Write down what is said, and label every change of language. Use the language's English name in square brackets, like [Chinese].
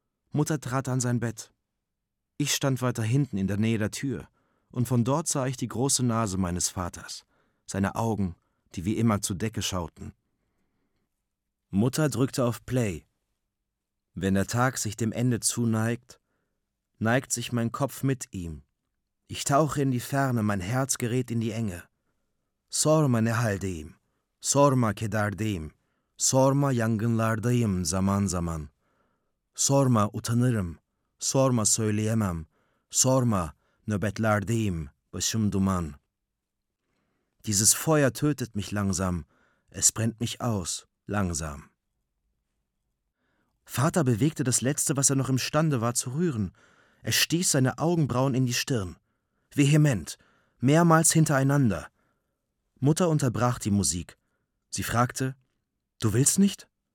[German] Mutter trat an sein Bett. Ich stand weiter hinten in der Nähe der Tür, und von dort sah ich die große Nase meines Vaters, seine Augen, die wie immer zur Decke schauten. Mutter drückte auf Play. Wenn der Tag sich dem Ende zuneigt, neigt sich mein Kopf mit ihm. Ich tauche in die Ferne, mein Herz gerät in die Enge. [Turkish] Sorma nehaldim, sorma kedardim, sorma yangınlardayım zaman zaman. Sorma utanırım, sorma söyleyemem, sorma nöbetlerdeyim, başım duman. [German] Dieses Feuer tötet mich langsam, es brennt mich aus, langsam. Vater bewegte das Letzte, was er noch imstande war, zu rühren. Er stieß seine Augenbrauen in die Stirn. Vehement, mehrmals hintereinander. Mutter unterbrach die Musik. Sie fragte, »Du willst nicht?«